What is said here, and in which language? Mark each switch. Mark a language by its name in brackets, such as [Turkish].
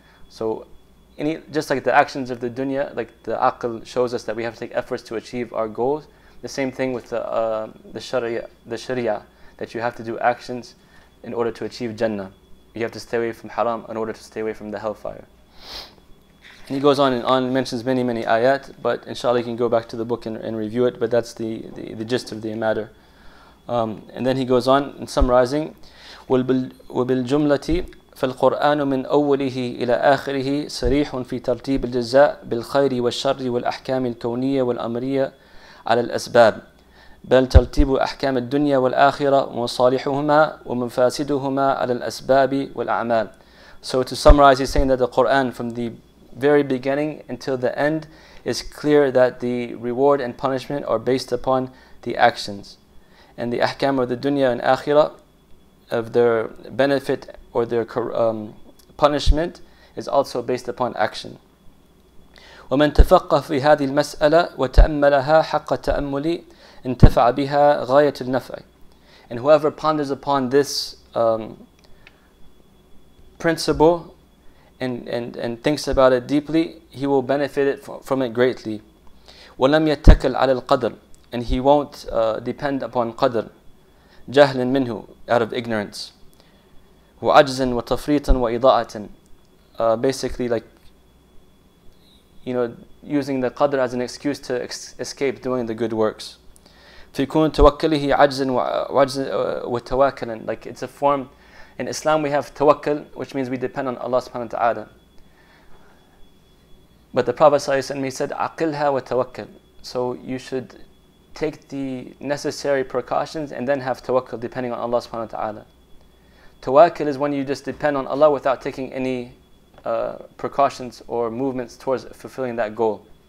[English] So just like the actions of the dunya, like the aql shows us that we have to take efforts to achieve our goals, the same thing with the sharia, that you have to do actions in order to achieve Jannah. You have to stay away from haram in order to stay away from the hellfire. And he goes on and on, mentions many, many ayat, but inshallah you can go back to the book and review it, but that's the gist of the matter. And then he goes on in summarizing, [Arabic] وَبِالْجُمْلَةِ فَالْقُرْآنُ مِنْ أَوَّلِهِ إِلَىٰ آخِرِهِ صَرِيحٌ فِي تَرْتِيبِ الْجَزَاءِ بِالْخَيْرِ وَالشَّرِّ وَالْأَحْكَامِ الْكَوْنِيَّ وَالْأَمْرِيَّ عَلَى الْأَسْبَابِ بل ترتيب أحكام الدنيا والآخرة ومصالحهما ومفاسدهما على الأسباب والأعمال. [English] So to summarize, he's saying that the Quran from the very beginning until the end is clear that the reward and punishment are based upon the actions. And the أحكام of the dunya and akhirah, of their benefit or their punishment, is also based upon action. [Arabic] ومن تفقه في هذه المسألة وتأملها حق التأمل انتفع بها غاية النفع. [English] And whoever ponders upon this principle and thinks about it deeply, he will benefit from it greatly. [Arabic] ولم يتكل على القدر. [English] And he won't depend upon قدر. [Arabic] جهل منه, [English] out of ignorance. [Arabic] وعجز وتفريط وإضاءة, [English] basically like, you know, using the qadr as an excuse to escape doing the good works. [Arabic] فيكون توكله عجز وعجز وتواكلا, [English] like it's a form. In Islam we have tawakkul, which means we depend on Allah subhanahu wa ta'ala. But the Prophet sallallahu alaihi wasallam said, aqilha wa tawakkul. So you should take the necessary precautions and then have tawakkul, depending on Allah subhanahu wa ta'ala. Tawakkul is when you just depend on Allah without taking any precautions or movements towards fulfilling that goal.